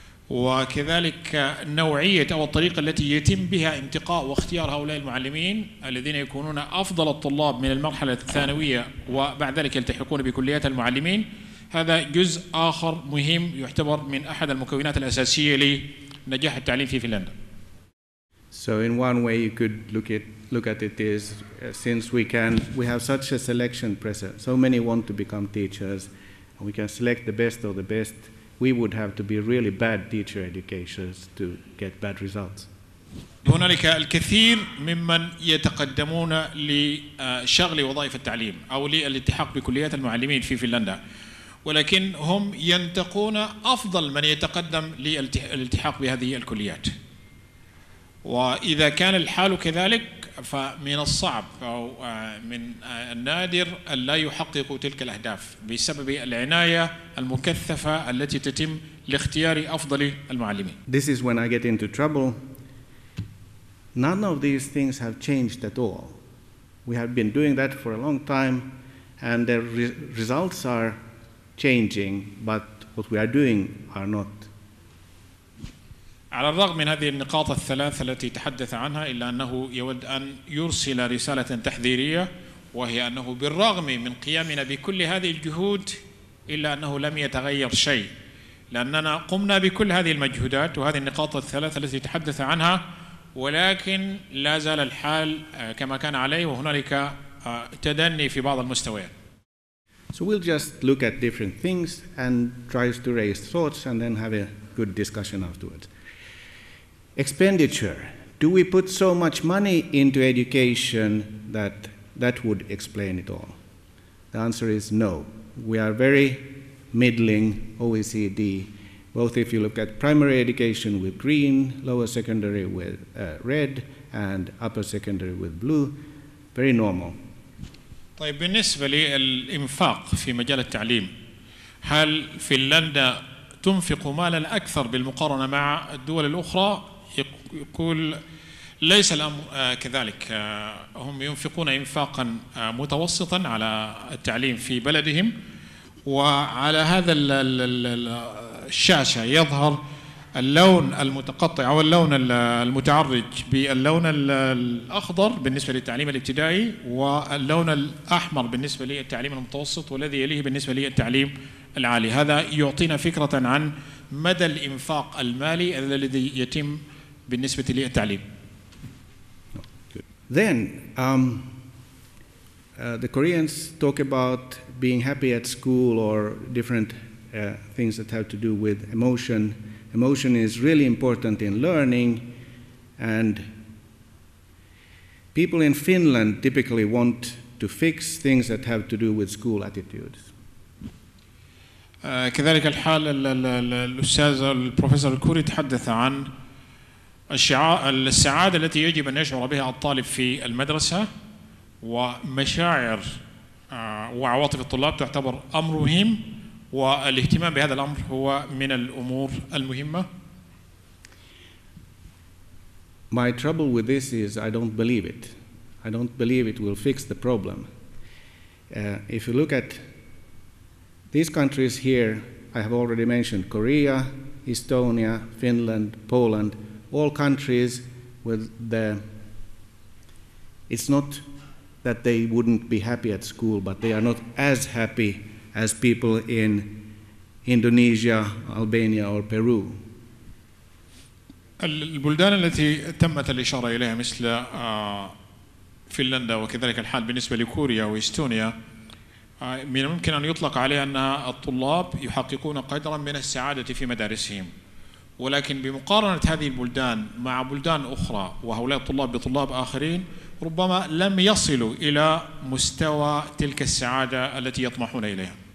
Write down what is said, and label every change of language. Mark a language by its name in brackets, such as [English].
[Arabic] وكذلك نوعية أو الطريقة التي يتم بها انتقاء واختيار هؤلاء المعلمين الذين يكونون أفضل الطلاب من المرحلة الثانوية وبعد ذلك يلتحقون بكليات المعلمين هذا جزء آخر مهم يعتبر من أحد المكونات الأساسية لي نجاح التعليم في فنلندا. [English] So in one way you could look at it is since we have such a selection pressure, so many want to become teachers, and we can select the best of the best, we would have to be really bad teacher educators to get bad results. [Arabic] هنالك الكثير ممن يتقدمون لشغل وظائف التعليم أو للالتحاق بكليات المعلمين في فنلندا. ولكن هم ينتقون أفضل من يتقدم للالتحاق بهذه الكليات وإذا كان الحال كذلك فمن الصعب أو من النادر أن لا يحققوا تلك الأهداف بسبب العناية المكثفة التي تتم لاختيار أفضل المعلمين. [English] This is when I get into trouble. None of these things have changed at all. We have been doing that for a long time, and the results are changing, but what we are doing are not. [Arabic] على الرغم من هذه النقاط الثلاثة التي تحدث عنها، إلا أنه يود أن يرسل رسالة تحذيرية، وهي أنه بالرغم من قيامنا بكل هذه الجهود، إلا أنه لم يتغير شيء، لأننا قمنا بكل هذه المجهودات وهذه النقاط الثلاثة التي تحدث عنها، ولكن لا زال الحال كما كان عليه، وهنالك تدني في بعض المستويات. [English] So we'll just look at different things and try to raise thoughts and then have a good discussion afterwards. Expenditure. Do we put so much money into education that would explain it all? The answer is no. We are very middling OECD, both if you look at primary education with green, lower secondary with red, and upper secondary with blue. Very normal. [Arabic] طيب بالنسبة للإنفاق في مجال التعليم، هل فنلندا تنفق مالا أكثر بالمقارنة مع الدول الأخرى؟ يقول ليس الأمر كذلك، هم ينفقون إنفاقا متوسطا على التعليم في بلدهم، وعلى هذا الشاشة يظهر اللون المتقطع أو اللون المتعرج باللون الأخضر بالنسبة للتعليم الابتدائي، واللون الأحمر بالنسبة للتعليم المتوسط، والذي يليه بالنسبة للتعليم العالي. هذا يعطينا فكرة عن مدى الإنفاق المالي الذي يتم بالنسبة للتعليم. [English] Then the Koreans talk about being happy at school or different things that have to do with emotion. Emotion is really important in learning, and people in Finland typically want to fix things that have to do with school attitudes. [Arabic] كذلك الحال الأستاذ البروفيسور الكوري تحدث عن السعادة التي يجب أن يشعر بها الطالب في المدرسة، ومشاعر وعواطف الطلاب تعتبر أمر مهم، والاهتمام بهذا الأمر هو من الأمور المهمة. [English] My trouble with this is I don't believe it. I don't believe it will fix the problem. If you look at these countries here, I have already mentioned Korea, Estonia, Finland, Poland, all countries with the... It's not that they wouldn't be happy at school, but they are not as happy as people in Indonesia, Albania, or Peru. [Arabic] البلدان التي تمت الإشارة إليها مثل فنلندا وكذلك الحال بالنسبة لكوريا وإستونيا، من الممكن أن يطلق عليها أن الطلاب يحققون قدرا من السعادة في مدارسهم، ولكن بمقارنة هذه البلدان مع بلدان أخرى وهؤلاء الطلاب بطلاب آخرين، ربما لم يصلوا إلى مستوى تلك السعادة التي يطمحون إليها.